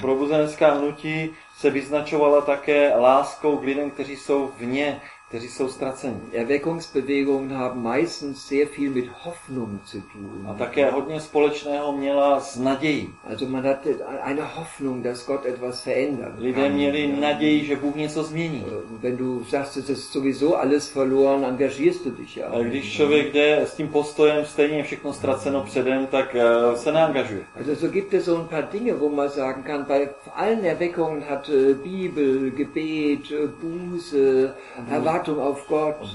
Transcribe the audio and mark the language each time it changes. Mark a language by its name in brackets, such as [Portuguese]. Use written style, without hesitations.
[Czech] Probuzenská hnutí se vyznačovala také láskou k lidem, kteří jsou vně, kteří jsou ztraceni. [German] Erweckungsbewegungen haben meistens sehr viel mit Hoffnung zu tun. [Czech] A také hodně společného měla s nadějí. [German] Also man hatte eine Hoffnung, dass Gott etwas verändert. [Czech] Lidé měli naději, že Bůh něco změní. [German] Wenn du sagst, es ist sowieso alles verloren, engagierst du dich ja. [Czech] A když člověk jde s tím postojem stejně všechno ztraceno předem, tak se neangažuje. [German] Also so gibt es so ein paar Dinge, wo man sagen kann, bei allen Erweckungen hat Bibel, Gebet, Buße, Wartung auf Gott.